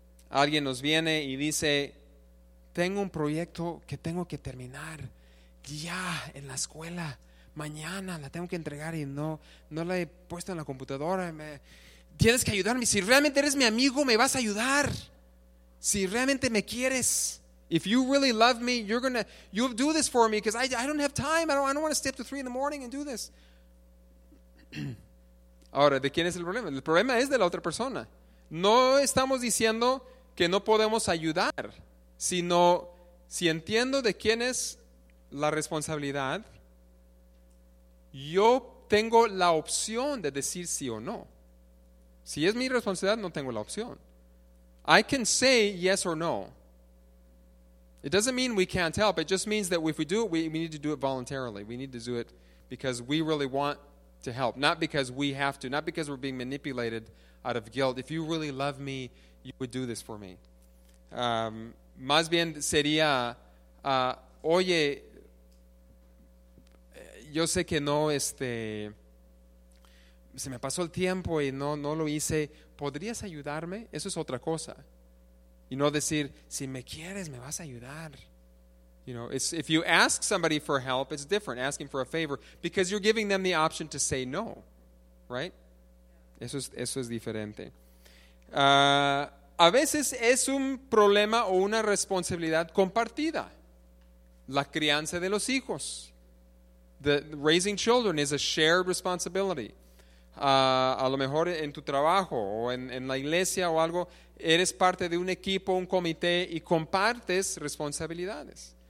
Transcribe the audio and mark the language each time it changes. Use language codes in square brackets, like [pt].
[es] Alguien nos viene y dice, tengo un proyecto que tengo que terminar ya en la escuela mañana, la tengo que entregar y no la he puesto en la computadora. Tienes que ayudarme. Si realmente eres mi amigo, me vas a ayudar. Si realmente me quieres, [en] if you really love me, you'll do this for me, because I don't have time. I don't want to stay up to 3 in the morning and do this. [es] Ahora, ¿de quién es el problema? El problema es de la otra persona. No estamos diciendo que no podemos ayudar, sino si entiendo de quién es la responsabilidad, yo tengo la opción de decir sí o no. Si es mi responsabilidad, no tengo la opción. [en] I can say yes or no. It doesn't mean we can't help. It just means that if we do it, we need to do it voluntarily. We need to do it because we really want to help, not because we have to, not because we're being manipulated out of guilt. If you really love me, you would do this for me. [es] Más bien sería, oye, yo sé que no, se me pasó el tiempo y no lo hice. ¿Podrías ayudarme? Eso es otra cosa. Y no decir, si me quieres, me vas a ayudar. [en] You know, it's, if you ask somebody for help, it's different, asking for a favor, because you're giving them the option to say no, right? [es] Eso es diferente. A veces es un problema o una responsabilidad compartida. La crianza de los hijos. [en] Raising children is a shared responsibility. [es] A lo mejor en tu trabajo o en la iglesia o algo, eres parte de un equipo, un comité, y compartes responsabilidades.